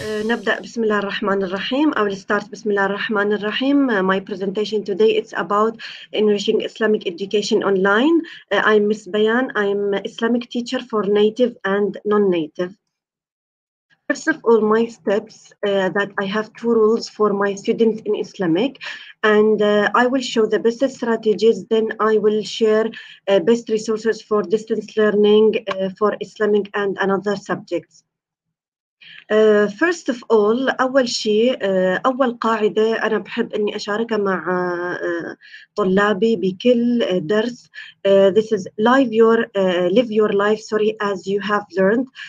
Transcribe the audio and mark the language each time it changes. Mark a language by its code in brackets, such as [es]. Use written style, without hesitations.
[ar] نبدأ بسم الله الرحمن الرحيم. [en] I will start [ar] بسم الله الرحمن الرحيم. [en] My presentation today is about enriching Islamic education online. I'm Miss Bayan. I'm Islamic teacher for native and non-native. First of all, my steps that I have two rules for my students in Islamic, and I will show the best strategies. Then I will share best resources for distance learning for Islamic and another subjects. First of all, [ar] أول شيء أول قاعدة أنا بحب إني أشاركها مع طلابي بكل درس. [en] This is live your life, sorry, as you have learned.